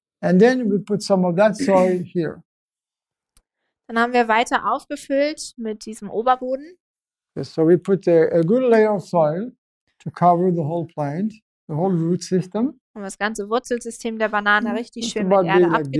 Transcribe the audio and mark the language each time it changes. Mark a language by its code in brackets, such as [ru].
[en] And then we put some of that soil here. [de] Dann haben wir weiter aufgefüllt mit diesem Oberboden. [en] Yes, so we put a good layer of soil to cover the whole plant, the whole root system. [de] Und das ganze Wurzelsystem der Banane richtig schön mit Erde abgedeckt.